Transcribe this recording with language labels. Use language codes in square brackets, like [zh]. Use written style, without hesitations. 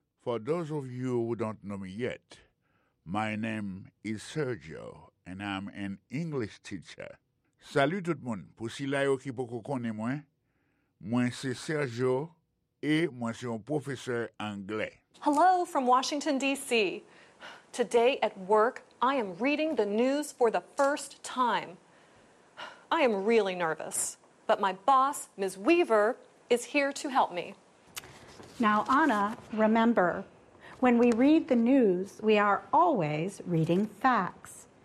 [en] For those of you who don't know me yet, my name is Sergio, and I'm an English teacher. [ht] Salut tout moun, pou si la yo ki poko konne mwen, mwen se Sergio, et mwen se yon professeur anglais. [en] Hello from Washington, D.C. Today at work, I am reading the news for the first time. I am really nervous, but my boss, Ms. Weaver, is here to help me. Now, Anna, remember, when we read the news, we are always reading facts.